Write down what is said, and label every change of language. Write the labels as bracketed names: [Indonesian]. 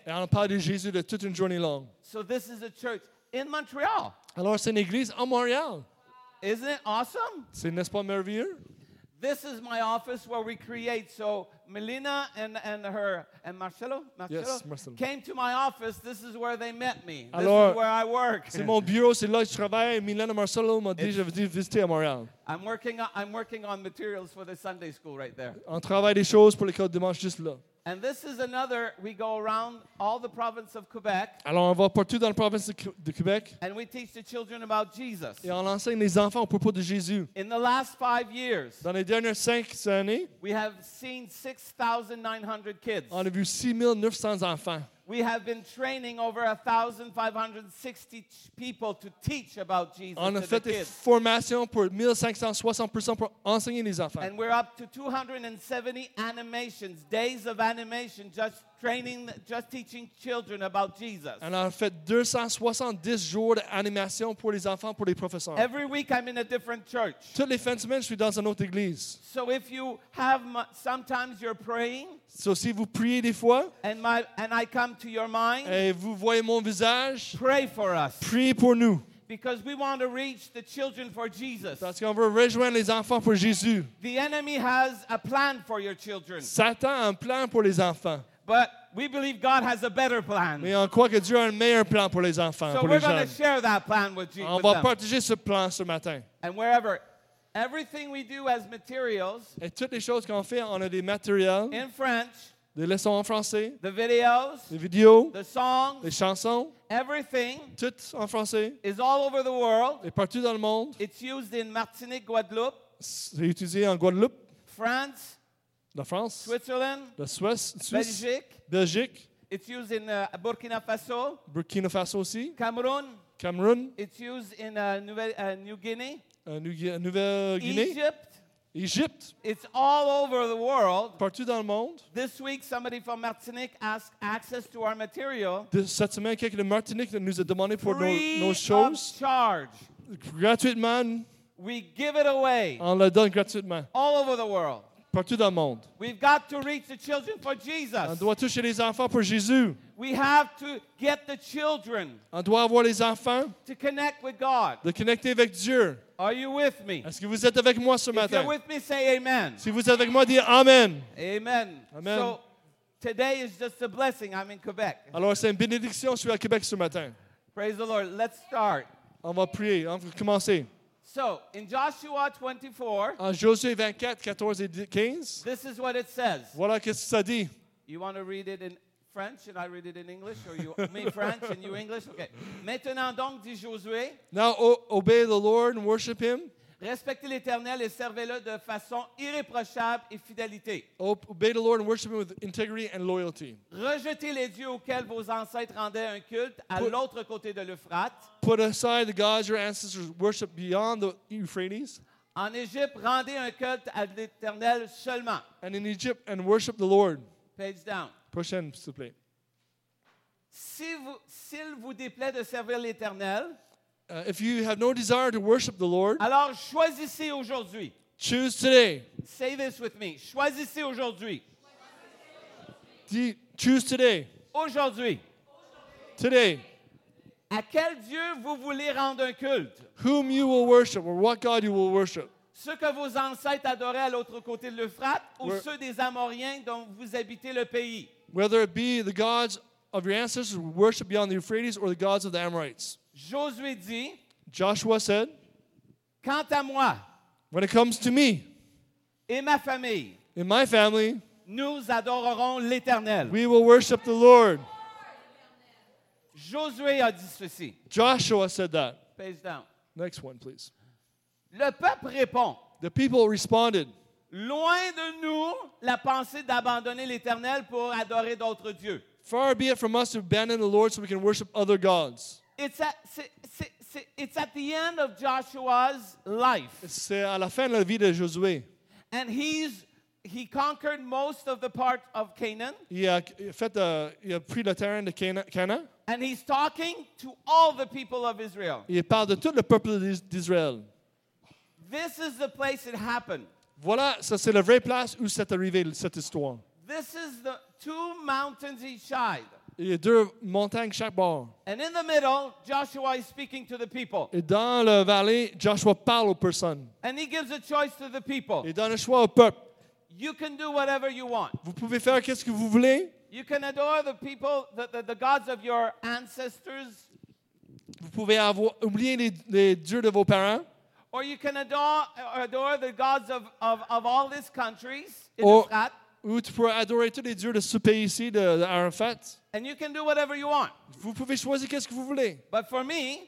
[French] Et on a parlé de Jésus de toute une journée longue. [English] So this is a church in Montreal. [French] Alors c'est une église en Montréal. [English] Isn't it awesome? [French] N'est-ce pas merveilleux? [English] This is my office where we create. So Melina and Marcelo, yes, Marcelo came to my office. This is where they met me. This is where I work. [French] C'est mon bureau, c'est là que je travaille. Melina et Marcelo m'ont dit je vais visiter à Montréal. [English] I'm working on materials for the Sunday school right there. [French] On travaille des choses pour l'école dimanche juste là. [English] And this is another, we go around all the province of Quebec. [French] Alors on va partout dans la province de Québec. [English] And we teach the children about Jesus. [French] Et on enseigne les enfants au propos de Jésus. [English] In the last 5 years, [French] dans les dernières 5 années, [English] we have seen 6,900 kids. [French] On a vu 6,900 enfants. [English] We have been training over 1,560 people to teach about Jesus to the kids. [French] On a fait des formations pour 1,560 personnes pour enseigner les enfants. [English] And we're up to 270 animations, days of animation, just teaching children about Jesus. [French] And on a fait 270 jours d'animation pour les enfants, pour les professeurs. [English] Every week I'm in a different church. [French] Toutes les fins de semaine, je suis dans une autre église. [English] So if you have, sometimes you're praying. [French] So si vous priez des fois. [English] And I come to your mind. [French] Et vous voyez mon visage. [English] Pray for us. [French] Priez pour nous. [English] Because we want to reach the children for Jesus. [French] Parce qu'on veut rejoindre les enfants pour Jésus. [English] The enemy has a plan for your children. [French] Satan a un plan pour les enfants. [English] But we believe God has a better plan. [French] Mais on croit que Dieu a un meilleur plan pour les enfants, [English] so [French] pour [English] we're [French] les jeunes. [English] Going to share that plan with Jesus. [French] On va partager ce plan ce matin. [English] And wherever, everything we do as materials. [French] Et toutes les choses qu'on fait, on a des matériels. [English] In French. [French] Des leçons en français. [English] The videos. [French] Les vidéos. [English] The songs. [French] Les chansons. [English] Everything. [French] Tout en français. [English] Is all over the world. [French] Et partout dans le monde. [English] It's used in Martinique, Guadeloupe. [French] C'est utilisé en Guadeloupe. [English] France. [French] La France, [English] Switzerland, [French] la Suisse, [English] Belgique. It's used in Burkina Faso. [French] Burkina Faso aussi. [English] Cameroon. It's used in New Guinea. [French] Nouvelle-Guinée. [English] Egypt. It's all over the world. [French] Partout dans le monde. [English] This week, somebody from Martinique asked access to our material. [French] Cette semaine, quelqu'un de Martinique nous a demandé pour nos choses. [English] Free of charge. [French] Gratuitement. [English] We give it away. [French] On le donne gratuitement. [English] All over the world. [French] Partout dans le monde. [English] We've got to reach the children for Jesus. [French] On doit toucher les enfants pour Jésus. [English] We have to get the children. [French] On doit avoir les enfants. [English] To connect with God. [French] De connecter avec Dieu. [English] Are you with me? [French] Est-ce que vous êtes avec moi ce matin? [English] If you're with me, say amen. [French] Si vous êtes avec moi, dites amen. [English] Amen. [French] Amen. [English] So today is just a blessing. I'm in Quebec. [French] Alors c'est une bénédiction. Je suis à Québec ce matin. [English] Praise the Lord. Let's start. [French] On va prier. On va commencer. [English] So, in Joshua 24, [French] en Josué 24, 14 et 15, [English] this is what it says. [French] Voilà ce que ça dit. [English] You want to read it in French and I read it in English? Or you, me French and you English? Okay. [French] Maintenant donc, dit Josué. [English] Now obey the Lord and worship him. [French] Respectez l'Éternel et servez-le de façon irréprochable et fidélité. [English] Obey the Lord and worship him with integrity and loyalty. [French] Rejetez les dieux auxquels vos ancêtres rendaient un culte à l'autre côté de l'Euphrate. [English] Put aside the gods your ancestors worshiped beyond the Euphrates. [French] En Égypte, rendez un culte à l'Éternel seulement. [English] And in Egypt, and worship the Lord. Page down. [French] Prochaine, s'il vous plaît. S'il vous déplaît de servir l'Éternel, [English] If you have no desire to worship the Lord, [French] alors choisissez aujourd'hui. [English] Choose today. Say this with me. [French] Choisissez aujourd'hui. [English] Choose today. [French] Aujourd'hui. [English] Today. [French] À quel Dieu vous voulez rendre un culte? [English] Whom you will worship, or what God you will worship? [French] Ceux que vos ancêtres adoraient à l'autre côté de l'Euphrate, ou ceux des Amoriens dont vous habitez le pays? [English] Whether it be the gods of your ancestors who worship beyond the Euphrates, or the gods of the Amorites. [French] Josué dit, [English] Joshua said, [French] quant à moi, [English] when it comes to me, [French] et ma famille, [English] in my family, [French] nous adorerons l'Éternel. [English] We will worship the Lord. [French] Josué a dit ceci. [English] Joshua said that. Page down. Next one, please. [French] Le peuple répond. [English] The people responded. [French] Loin de nous la pensée d'abandonner l'Éternel pour adorer d'autres dieux. [English] Far be it from us to abandon the Lord so we can worship other gods. It's at the end of Joshua's life. [French] C'est à la fin de la vie de Josué. [English] And he conquered most of the part of Canaan. [French] Il a pris le terrain de Canaan. [English] And he's talking to all the people of Israel. [French] Il parle de tout le peuple d'Israël. [English] This is the place it happened. [French] Voilà, ça c'est la vraie place où c'est arrivé cette histoire. [English] This is the two mountains each side. [French] Il y a deux montagnes chaque bord. [English] And in the middle, Joshua is speaking to the people. [French] Et dans la vallée, Joshua parle aux personnes. [English] And he gives a choice to the people. [French] Il donne un choix au peuple. [English] You can do whatever you want. [French] Vous pouvez faire qu'est-ce que vous voulez. [English] You can adore the people, the gods of your ancestors. [French] Vous pouvez oublier les dieux de vos parents. [English] Or you can adore the gods of all these countries in Israël. [French] Ou tu pourrais adorer tous les dieux de ce pays ici, de Arafat. [English] And you can do whatever you want. [French] Vous pouvez choisir qu'est-ce que vous voulez. [English] But for me,